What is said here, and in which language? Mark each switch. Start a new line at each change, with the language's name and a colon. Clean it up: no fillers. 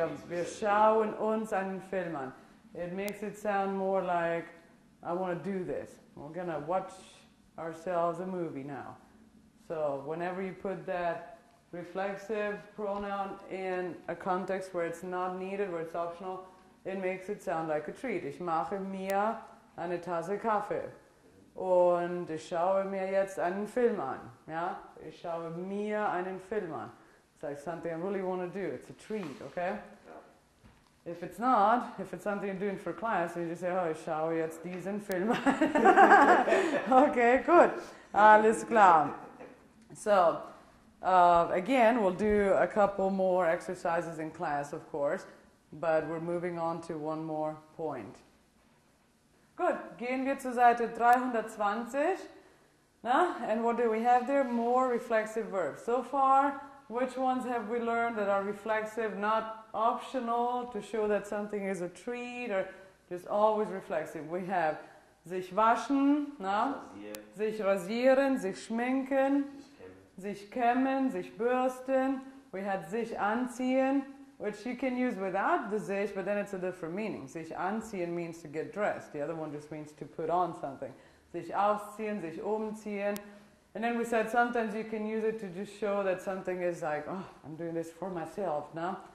English: oh,
German: wir schauen uns einen Film an.
English: It makes it sound more like, I want to do this. We're going to watch ourselves a movie now. So whenever you put that reflexive pronoun in a context where it's not needed, where it's optional, it makes it sound like a treat.
German: Ich mache mir eine Tasse Kaffee. Und ich schaue mir jetzt einen Film an. Ja? Ich schaue mir einen Film an.
English: It's like something I really want to do. It's a treat, okay? If it's not, if it's something you're doing for class, you just say, oh,
German: ich schaue jetzt diesen Film an.
English: Okay, good.
German: Alles klar.
English: So, again, we'll do a couple more exercises in class, of course, but we're moving on to one more point. Good.
German: Gehen wir zur Seite 320. Na?
English: And what do we have there? More reflexive verbs. So far, which ones have we learned that are reflexive, not optional, to show that something is a treat, or just always reflexive? We have sich waschen, na?
German: Sich rasieren, sich schminken, sich kämmen, sich bürsten.
English: We had sich anziehen, which you can use without the sich, but then it's a different meaning. Sich anziehen means to get dressed. The other one just means to put on something.
German: Sich ausziehen, sich umziehen.
English: And then we said sometimes you can use it to just show that something is like, oh, I'm doing this for myself, no?